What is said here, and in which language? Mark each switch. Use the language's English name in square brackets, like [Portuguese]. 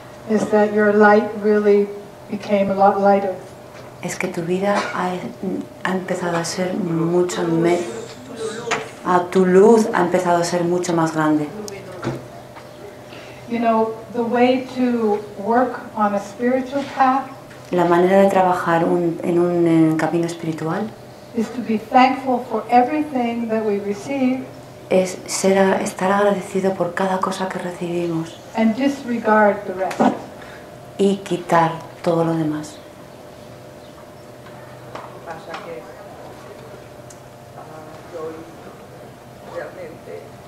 [English] is that your light really became a lot lighter. [Spanish] Es que tu vida ha empezado a ser mucho tu luz ha empezado a ser mucho más grande. [English] You know, the way to work on a spiritual path, [Spanish] la manera de trabajar en un camino espiritual, [English] is to be thankful for everything that we receive. [Spanish] Es estar agradecido por cada cosa que recibimos [English] and disregard the rest. [Spanish] Y quitar todo lo demás. Pasa que yo realmente